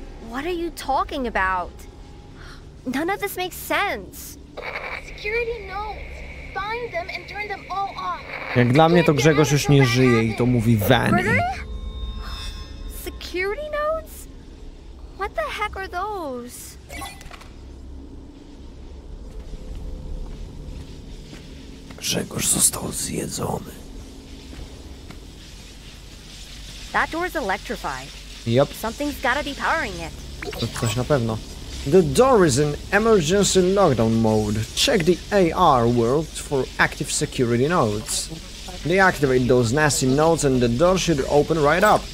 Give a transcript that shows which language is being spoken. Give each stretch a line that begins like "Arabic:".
English: What are you talking about? None of this makes sense. Security knows. Find them and turn them all off.
Polish: Jak dla mnie to Grzegorz już nie żyje i to mówi Vanny.
English: Security notes? What the heck are those?
Polish: Grzegorz został zjedzony.
English: That door's electrified. Yep. Something's gotta be powering it.
Polish: Coś na pewno.
English: The door is in emergency lockdown mode. Check the AR world for active security nodes. Deactivate those nasty nodes and the door should open right up.